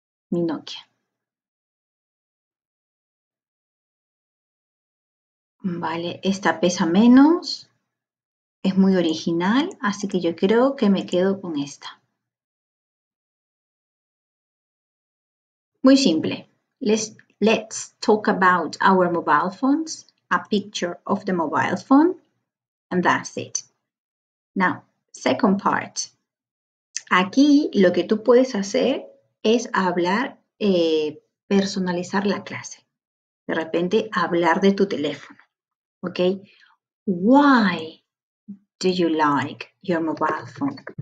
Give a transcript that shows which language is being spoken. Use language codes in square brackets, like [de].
[es] Mi Nokia. Vale, esta pesa menos, es muy original, así que yo creo que me quedo con esta. Muy simple. [en] Let's talk about our mobile phones, a picture of the mobile phone, and that's it. Now, second part. [es] Aquí lo que tú puedes hacer es hablar, personalizar la clase. De repente, hablar de tu teléfono. [en] Okay, why do you like your mobile phone?